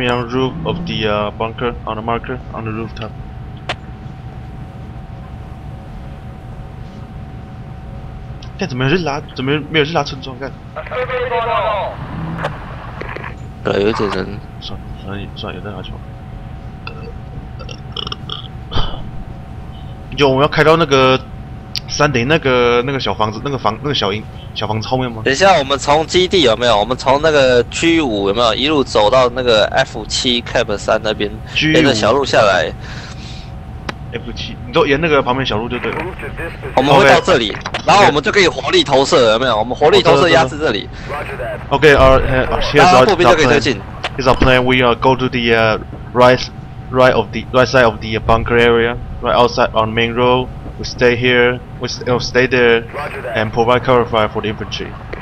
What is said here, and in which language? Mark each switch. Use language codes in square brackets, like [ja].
[en] on the roof of the bunker, on the marker, on the rooftop. [zh] 小房子后面吗？等一下，我们从基地有没有？我们从那个 G 五有没有一路走到那个 F 七 Cap 三那边，沿着小路下来。 F 七，你都沿那个旁边小路就对了。我们会到这里， okay. 然后我们就可以火力投射，有没有？我们火力投射压制这里。 [en] OK， here's our plan. Here's our plan. We go to the right side of the bunker area, right outside on main road. We stay here, stay there, and provide cover fire for the infantry.